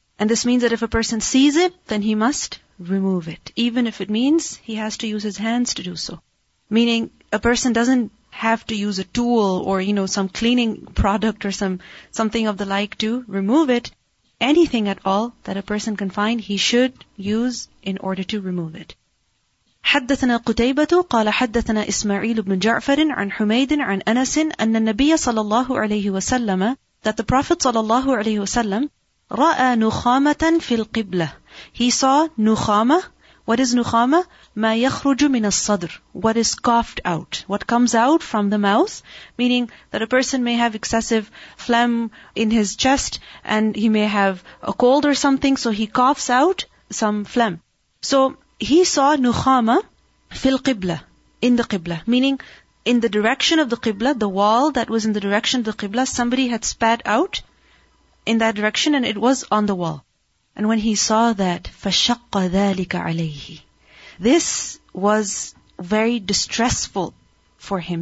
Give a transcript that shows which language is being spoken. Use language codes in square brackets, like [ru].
[en] And this means that if a person sees it, then he must remove it, even if it means he has to use his hands to do so. Meaning, a person doesn't have to use a tool or, you know, some cleaning product or something of the like to remove it. Anything at all that a person can find, he should use in order to remove it. [ar] حدثنا قتيبة قال حدثنا إسماعيل بن جعفر عن حميد عن أنس أن النبي صلى الله عليه وسلم, [en] that the Prophet [ar] صلى الله عليه وسلم رأى نخامة في القبلة. [en] He saw [ar] نخامة. [en] What is [ar] نخامة? ما يخرج من الصدر. [en] What is coughed out. What comes out from the mouth. Meaning that a person may have excessive phlegm in his chest and he may have a cold or something, so he coughs out some phlegm. So he saw [ar] نخامة في القبلة. [en] In the قبلة. Meaning in the direction of the قبلة, the wall that was in the direction of the قبلة, somebody had spat out in that direction and it was on the wall. And when he saw that, [ar] فَشَقَّ ذَٰلِكَ عَلَيْهِ, [en] this was very distressful for him.